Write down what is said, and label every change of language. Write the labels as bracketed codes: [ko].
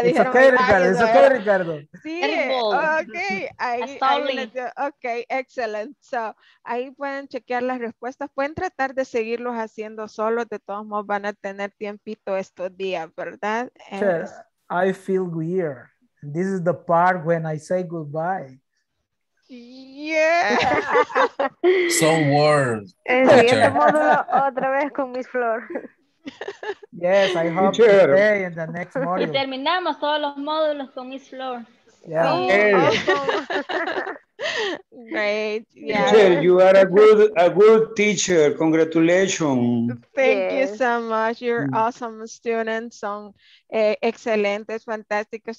[en] it's [es] dijeron. Okay, Ricardo, eso okay, Ricardo. Sí. Okay, okay, excellent. So, ahí pueden chequear las respuestas. Pueden tratar de seguirlos haciendo solos. De todos modos, van a tener tiempito estos días, ¿verdad? [en] I feel weird. This is the part when I say goodbye. Yeah. So weird. [es] En siguiente módulo, otra vez con Miss Flor. [en] Yes, I hope today in the next module. [es] Y terminamos todos los módulos con Miss Flor. [en] Yeah. Oh, hey. Awesome. Great. Yeah. Teacher, you are a good teacher. Congratulations. Thank you so much. You're awesome students. [es] Son excelentes, fantásticos.